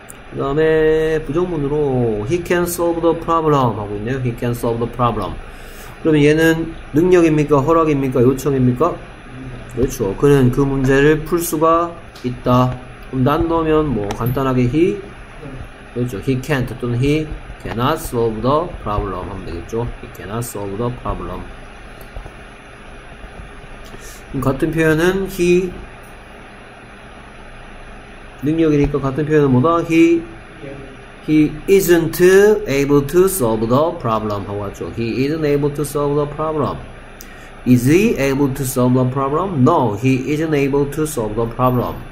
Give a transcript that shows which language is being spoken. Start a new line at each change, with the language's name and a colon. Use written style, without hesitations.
Korean: 그 다음에 부정문으로
English: he can solve the problem
Korean: 하고 있네요.
English: he can solve the problem.
Korean: 그러면 얘는 능력입니까? 허락입니까? 요청입니까? 그렇죠. 그는 그 문제를 풀 수가 있다. 그럼 난 넣으면 뭐 간단하게 he 그렇죠.
English: He can't
Korean: 또는
English: he cannot solve the problem
Korean: 하면 되겠죠.
English: He cannot solve the problem.
Korean: 같은 표현은 he 능력이니까 같은 표현은 뭐다?
English: He isn't able to solve the problem
Korean: 하고 왔죠.
English: He isn't able to solve the problem. Is he able to solve the problem? No, he isn't able to solve the problem.